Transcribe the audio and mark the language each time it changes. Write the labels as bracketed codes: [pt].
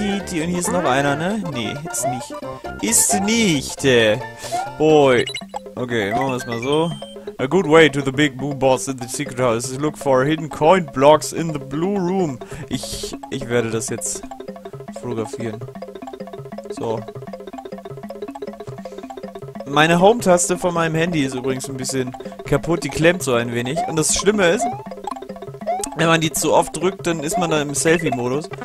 [de] Und hier ist noch einer, ne? Nee, ist nicht. Ist nicht! Boy. Okay, machen wir es mal so. [en] A good way to the big blue boss in the secret house is look for hidden coin blocks in the blue room. [de] Ich werde das jetzt fotografieren. So. Meine Home-Taste von meinem Handy ist übrigens ein bisschen kaputt. Die klemmt so ein wenig. Und das Schlimme ist, wenn man die zu oft drückt, dann ist man da im Selfie-Modus.